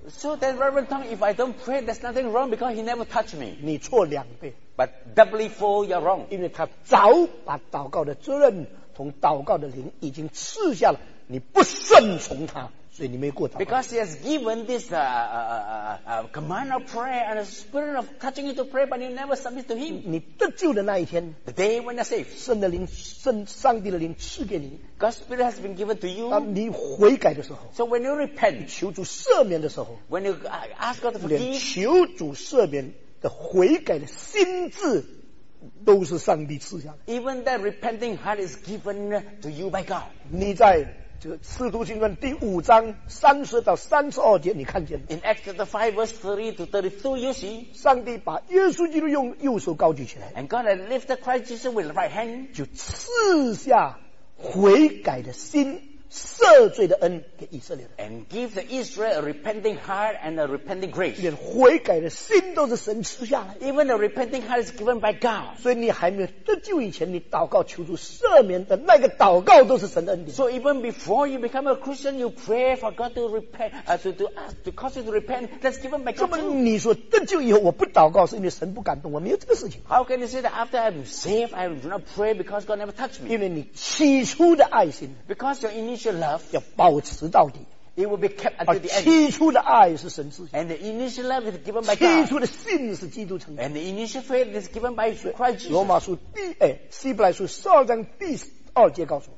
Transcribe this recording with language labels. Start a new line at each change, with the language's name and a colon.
English: So then, Reverend Tom, if I don't pray, there's nothing wrong because he never touched me.
Chinese: 你错两倍。
English: But doubly full, you're wrong.
Chinese: 因为他早把祷告的责任同祷告的灵已经赐下了，你不顺从他。
English: Because he has given this command of prayer and a spirit of touching you to pray, but you never submit to him.
Chinese: 你得救的那一天
English: ，the day when you're saved,
Chinese: 圣的灵，圣上帝的灵赐给你
English: ，God's spirit has been given to you.
Chinese: 当你悔改的时候
English: ，so when you repent,
Chinese: 求主赦免的时候
English: ，when you ask God to forgive,
Chinese: 连求主赦免的悔改的心智。都是上帝赐下的。
English: Even that repenting heart is given to you by God.
Chinese: 你在这《使徒行传》第五章三十到三十二节，你看见了。
English: In Acts chapter 5 verse 30 to 32, you see,
Chinese: 上帝把耶稣基督用右手高举起来。
English: And God had lifted Christ Jesus with the right hand.
Chinese: 就赐下悔改的心。赦罪的恩给以色列人
English: and give the Israel a repenting heart and a repenting grace.
Chinese: 连悔改的心都是神赐下来
English: even a repenting heart is given by God.
Chinese: 所以你还没有得救以前，你祷告求主赦免的那个祷告都是神的恩典。
English: So even before you become a Christian, you pray for God to repent, to cause you to repent. That's given by God.
Chinese: 这么你说得救以后我不祷告，是因为神不感动我，没有这个事情。
English: How can you say that after I'm saved, I do not pray because God never touched me?
Chinese: 因为你起初的爱心
English: because your initial love
Chinese: 要保持到底
English: it will be kept until the end
Chinese: 起初的爱是神赐
English: and the initial love is given by God
Chinese: 起初的信是基督成就
English: and the initial faith is given by Christ Jesus
Chinese: 罗马书第希伯来书十二章第二节告诉我